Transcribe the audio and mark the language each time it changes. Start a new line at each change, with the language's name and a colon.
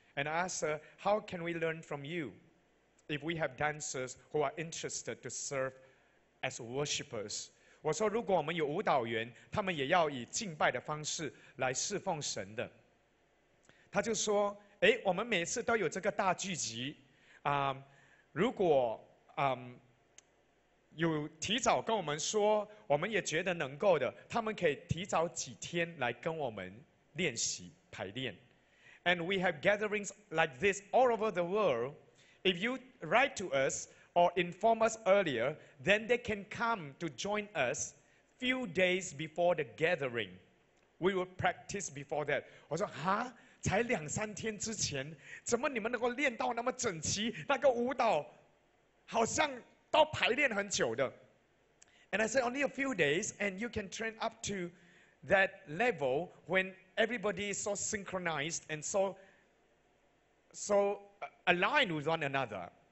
English: And I asked her, how can we learn from you if we have dancers who are interested to serve as worshippers?
Chinese: 我说如果我们有舞蹈员, 他们也要以敬拜的方式来侍奉神的。她就说, 诶, 我们每次都有这个大聚集, 如果有提早跟我们说, 我们也觉得能够的, 他们可以提早几天来跟我们练习排练。
English: And we have gatherings like this all over the world. If you write to us or inform us earlier, then they can come to join us few days before the gathering. We will practice before that.
Chinese: 我说,哈? 才两三天之前, 怎么你们能够练到那么整齐, 那个舞蹈, 好像都排练很久的。
English: And I said, only a few days, and you can train up to that level when everybody is so synchronized and so aligned with one another.